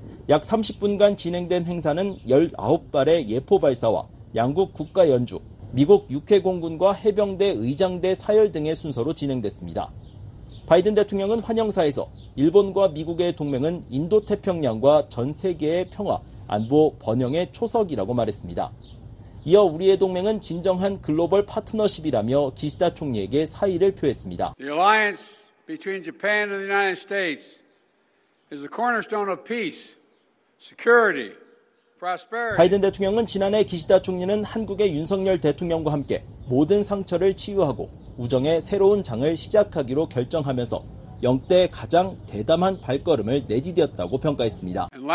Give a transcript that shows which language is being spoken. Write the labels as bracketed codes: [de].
[ko] 약 30분간 진행된 행사는 19발의 예포 발사와 양국 국가 연주, 미국 육해공군과 해병대 의장대 사열 등의 순서로 진행됐습니다. 바이든 대통령은 환영사에서 일본과 미국의 동맹은 인도태평양과 전 세계의 평화, 안보, 번영의 초석이라고 말했습니다. 이어 우리의 동맹은 진정한 글로벌 파트너십이라며 기시다 총리에게 사의를 표했습니다. [en] The alliance between Japan and the United States is the cornerstone of peace, security. [ko] 바이든 대통령은 지난해 기시다 총리는 한국의 윤석열 대통령과 함께 모든 상처를 치유하고 우정의 새로운 장을 시작하기로 결정하면서 영대 가장 대담한 발걸음을 내디뎠다고 평가했습니다.